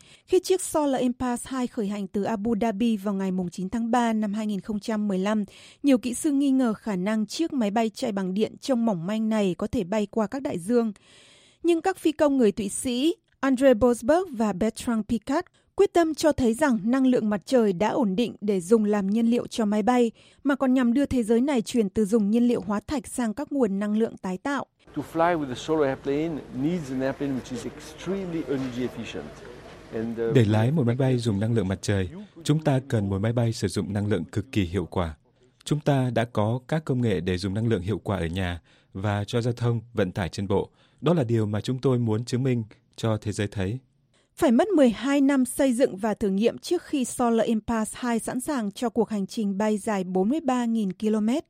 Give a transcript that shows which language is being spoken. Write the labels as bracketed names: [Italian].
[Vietnamese] Khi chiếc Solar Impulse 2 khởi hành từ Abu Dhabi vào ngày 9 tháng 3 năm 2015, nhiều kỹ sư nghi ngờ khả năng chiếc máy bay chạy bằng điện trông mỏng manh này có thể bay qua các đại dương. Nhưng các phi công người Thụy Sĩ, André Bosberg và Bertrand Piccard, quyết tâm cho thấy rằng năng lượng mặt trời đã ổn định để dùng làm nhiên liệu cho máy bay, mà còn nhằm đưa thế giới này chuyển từ dùng nhiên liệu hóa thạch sang các nguồn năng lượng tái tạo. [English] To fly with a solar airplane needs an airplane which is extremely energy efficient. [Vietnamese] Để lái một máy bay dùng năng lượng mặt trời, chúng ta cần một máy bay sử dụng năng lượng cực kỳ hiệu quả. Chúng ta đã có các công nghệ để dùng năng lượng hiệu quả ở nhà và cho giao thông, vận tải trên bộ. Đó là điều mà chúng tôi muốn chứng minh cho thế giới thấy. Phải mất 12 năm xây dựng và thử nghiệm trước khi Solar Impulse 2 sẵn sàng cho cuộc hành trình bay dài 43.000 km.